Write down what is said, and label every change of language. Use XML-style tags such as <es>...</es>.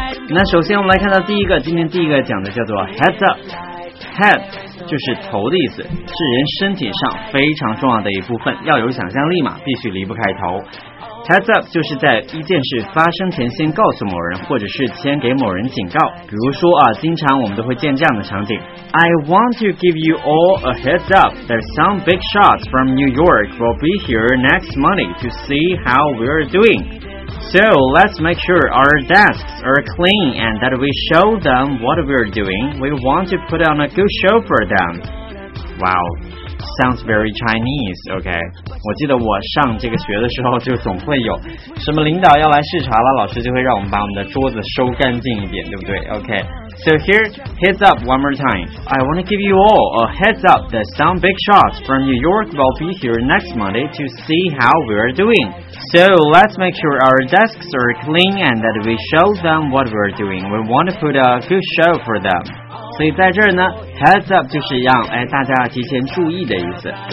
<zh>那首先我们来看到第一个，今天第一个讲的叫做 heads up。 Head 就是头的意思，是人身体上非常重要的一部分，要有想象力嘛，必须离不开头。 Heads up 就是在一件事发生前先告诉某人，或者是先给某人警告。比如说啊，经常我们都会见这样的场景，</zh> <en>I want to give you all a heads up that some big shots from New York will be here next Monday to see how we're doing. So let's make sure our desks are clean and that we show them what we're doing. We want to put on a good show for them. Wow, sounds very Chinese, okay?</en> <zh>我记得我上这个学的时候就总会有什么领导要来视察了，老师就会让我们把我们的桌子收干净一点，对不对？</zh> <en>Okay, so here, heads up one more time. I want to give you all a heads up that some big shots from New York will be here next Monday to see how we're doing. So let's make sure our desks are clean and that we show them what we're doing. We want to put a good show for them.</en> <zh>所以在这儿呢 ,heads up 就是让大家提前注意的意思。</zh>